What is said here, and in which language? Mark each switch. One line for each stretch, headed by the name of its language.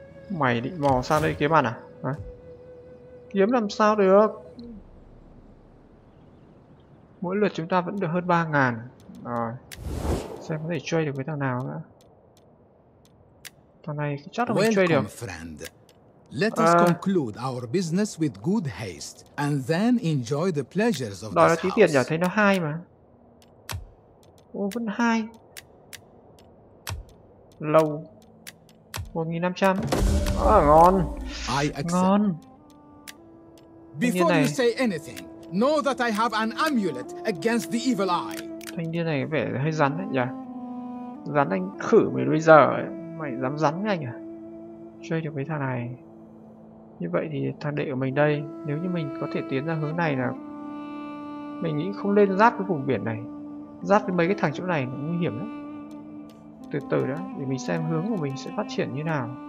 Vietnamese: Mày định mò sang đây kiếm ăn à? Hả? Kiếm làm sao được? Mỗi lượt chúng ta vẫn được hơn 3.000. Rồi. Xem có thể chơi được với thằng nào nữa. Thằng này chắc là mình chơi được.
English: Let us conclude our business with good haste and then enjoy the pleasures of this house.
Vietnamese: Đòi tí tiền nhỉ, thấy nó hai mà. Ô vẫn hai. Lâu. 1.500. À ngon.
English: I accept.
Vietnamese: Ngon.
English: Before you say anything, know that I have an amulet against the evil eye.
Vietnamese: Thanh niên này vẻ hơi rắn đấy nhỉ. Rắn anh khử mày bây giờ ấy. Mày dám rắn với anh à? Chơi được với thằng này. Như vậy thì thằng đệ của mình đây, nếu như mình có thể tiến ra hướng này là mình nghĩ không lên giáp với vùng biển này. Giáp với mấy cái thằng chỗ này nó nguy hiểm lắm. Từ từ đã, để mình xem hướng của mình sẽ phát triển như nào.